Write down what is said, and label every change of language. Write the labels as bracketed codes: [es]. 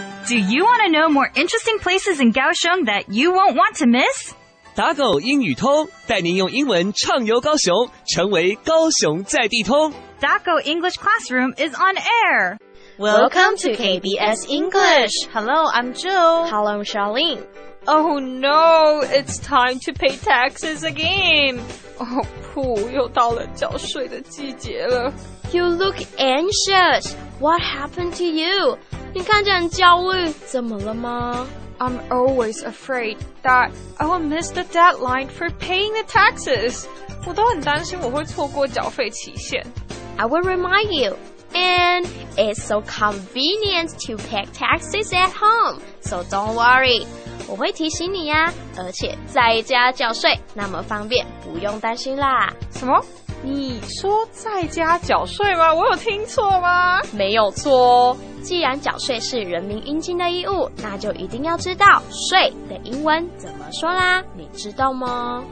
[en] Do you want to know more interesting places in Kaohsiung that you won't want to miss? [zh] 打狗英语通，带您用英文畅游高雄，成为高雄在地通。 [en] 打狗 English Classroom is on air. Welcome to KBS English. Hello, I'm Jill. Hello, I'm Charlene. Oh no, it's time to pay taxes again. Oh, poo, [zh] 又到了缴税的季节了。 [en] You look anxious. What happened to you? [zh] 你看着很焦虑，怎么了吗？ [en] I'm always afraid that I'll miss the deadline for paying the taxes. [zh] 我都很担心我会错过缴费期限。 [en] I will remind you. And it's so convenient to pay taxes at home. So don't worry. [zh] 我会提醒你呀，而且在家缴税那么方便，不用担心啦。什么？你说在家缴税吗？我有听错吗？没有错哦。既然缴税是人民应尽的义务，那就一定要知道税的英文怎么说啦，你知道吗？